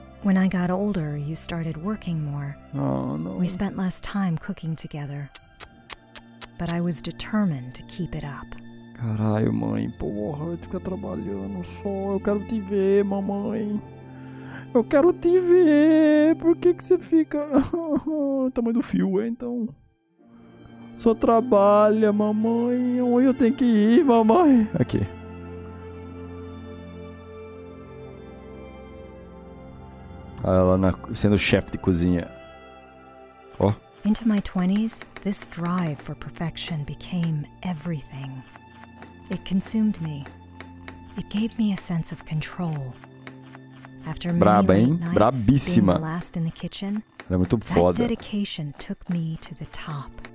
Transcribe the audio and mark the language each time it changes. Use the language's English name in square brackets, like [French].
[English] When I got older, you started working more. Oh, no. We spent less time cooking together. But I was determined to keep it up. [Portuguese] Caralho, mãe. Porra, eu fico trabalhando só. Eu quero te ver, mamãe. Eu quero te ver. Por que que você fica... Tamanho do fio, então... Só trabalha, mamãe. Onde eu tenho que ir, mamãe? Aqui. Ela sendo chefe de cozinha. Ó. Oh. [English] Into my 20s, this drive for perfection became everything. It consumed me. It gave me a sense of control. After many late nights, [Portuguese] brabíssima. [English] Being the last in the kitchen, [Portuguese] ela é muito foda. [English] That dedication took me to the top.